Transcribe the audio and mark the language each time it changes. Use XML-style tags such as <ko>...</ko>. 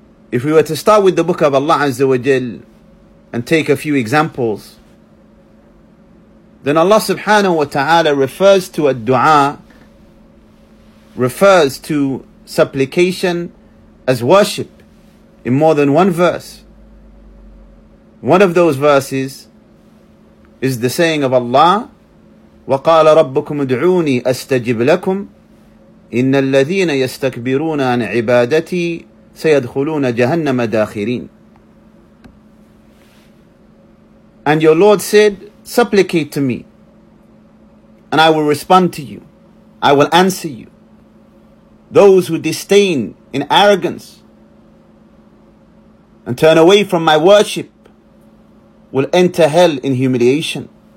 <en>If we were to start with the book of Allah Azza wa Jal and take a few examples, then Allah subhanahu wa ta'ala refers to a dua, refers to supplication as worship in more than one verse. One of those verses is the saying of Allah,</en> <ar>وَقَالَ رَبُّكُمْ ادْعُونِي أَسْتَجِبْ لَكُمْ إِنَّ الَّذِينَ يَسْتَكْبِرُونَ عَنْ عِبَادَتِي سَيَدْخُلُونَ جَهَنَّمَ دَاخِرِينَ.</ar> <en>And your Lord said, supplicate to me, and I will respond to you. I will answer you. Those who disdain in arrogance and turn away from my worship will enter hell in humiliation.</en>